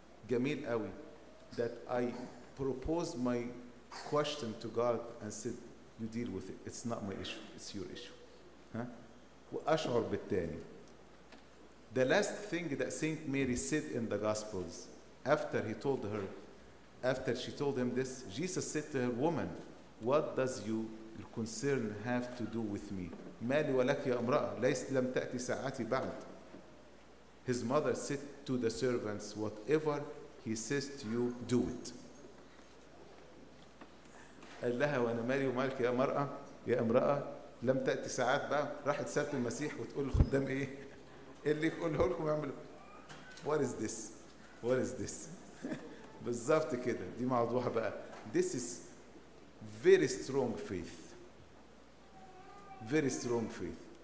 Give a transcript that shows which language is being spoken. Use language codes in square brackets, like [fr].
[ar] جميل قوي [en] that I proposed my question to God and said you deal with it, it's not my issue, it's your issue. [ar] ها؟ وأشعر بالتاني. [en] The last thing that Saint Mary said in the Gospels after he told her, after she told him this, Jesus said to her, woman, what does your concern have to do with me? [ar] مالي ولك يا امرأة ليس لم تأتي ساعتي بعد. [en] His mother said to the servants, whatever he says to you, do it. [ar] قال لها وانا مالي ومالك يا مرأة, يا امرأة لم تأتي ساعات بقى. راحت سألت المسيح وتقول الخدام ايه اللي يقوله لكم يعملوا. [en] What is this? What is this? [ar] بالظبط كده. دي موضوعها بقى. [en] This is very strong faith. Very strong faith.